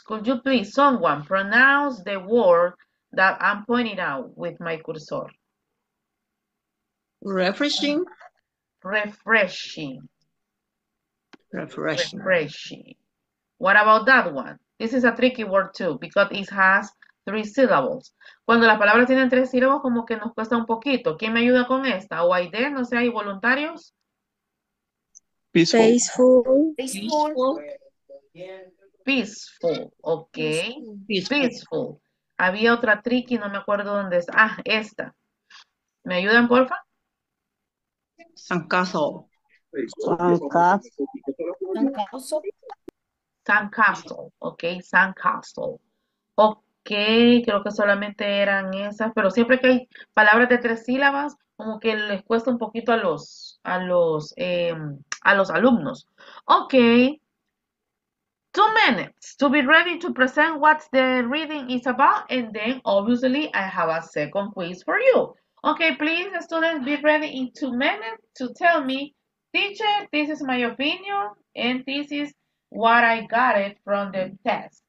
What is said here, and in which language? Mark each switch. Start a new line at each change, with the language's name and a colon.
English: Could you please, someone, pronounce the word that I'm pointing out with my cursor? Refreshing. Refreshing. Refreshing. Refreshing. What about that one? This is a tricky word too, because it has three syllables.
Spanish: Cuando las palabras tienen tres sílabos, como que nos cuesta un poquito. ¿Quién me ayuda con esta? ¿O Aide? No sé, ¿hay voluntarios?
English: Peaceful. Faithful. Peaceful. Peaceful. Ok. Peaceful. Peaceful.
Spanish: Había otra tricky, no me acuerdo dónde es. Ah, esta. ¿Me ayudan, porfa?
English: Sandcastle. Sandcastle. Sandcastle. Ok, sandcastle. Ok.
Spanish: Okay, creo que solamente eran esas, pero siempre que hay palabras de tres sílabas, como que les cuesta un poquito a los alumnos.
English: Ok, 2 minutes to be ready to present what the reading is about, and then obviously I have a second quiz for you. Okay, please, students, be ready in 2 minutes to tell me, teacher, this is my opinion, and this is what I got it from the test.